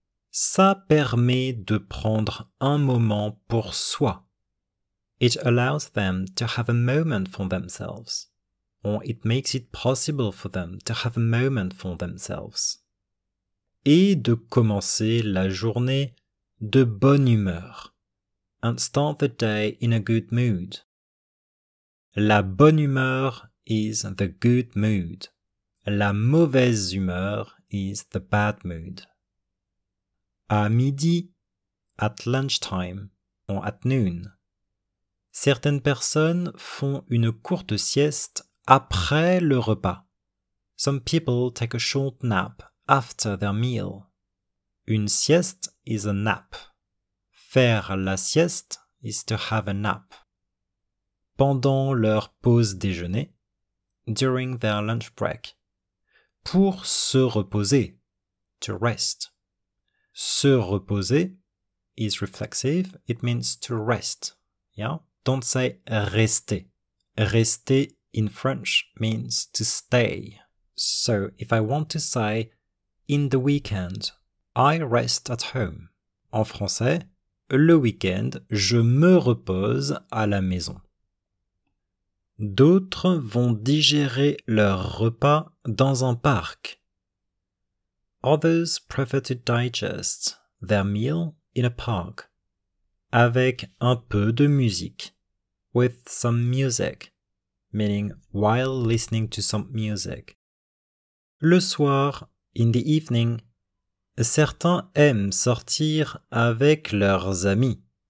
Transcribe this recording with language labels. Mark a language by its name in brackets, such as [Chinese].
[French] Ça permet de prendre un moment pour soi. [English] It allows them to have a moment for themselves. Or it makes it possible for them to have a moment for themselves. [French] Et de commencer la journée de bonne humeur. [English] And start the day in a good mood. La bonne humeur is the good mood. La mauvaise humeur is the bad mood. [French] À midi, [English] at lunchtime, or at noon. [French] Certaines personnes font une courte sieste après le repas. [English] Some people take a short nap after their meal. Une sieste is a nap. Faire la sieste is to have a nap. [French] Pendant leur pause déjeuner. [English] During their lunch break. [French] Pour se reposer. [English] To rest. [French] Se reposer [English] is reflexive. It means to rest. Yeah? Don't say rester. Rester in French means to stay. So if I want to say in the weekend, I rest at home. [French] En français, le week-end, je me repose à la maison. D'autres vont digérer leur repas dans un parc. [English] Others prefer to digest their meal in a park. [French] Avec un peu de musique. [English] With some music, meaning while listening to some music. [French] Le soir, [English] in the evening, [French] certains aiment sortir avec leurs amis.